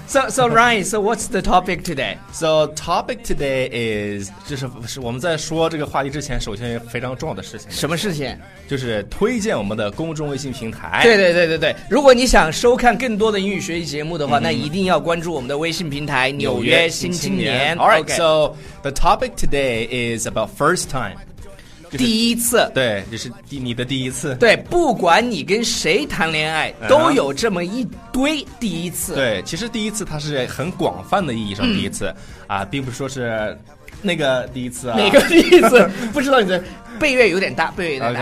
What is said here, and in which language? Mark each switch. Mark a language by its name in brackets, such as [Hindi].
[English] So Ryan, so what's the topic today? So topic today is [Chinese] 就是我们在说这个话题之前，首先非常重要的事情。什么事情？就是推荐我们的公众微信平台。对对对对对，如果你想收看更多的英语学习节目的话，那一定要关注我们的微信平台《纽约新青年》。 [English] All right, so the topic today is about first time. [Chinese] 第一次，对，就是你的第一次。对，不管你跟谁谈恋爱，都有这么一堆第一次。对，其实第一次它是很广泛的意义上第一次，并不是说是那个第一次啊。哪个第一次？不知道你的背阅有点大，背阅有点大。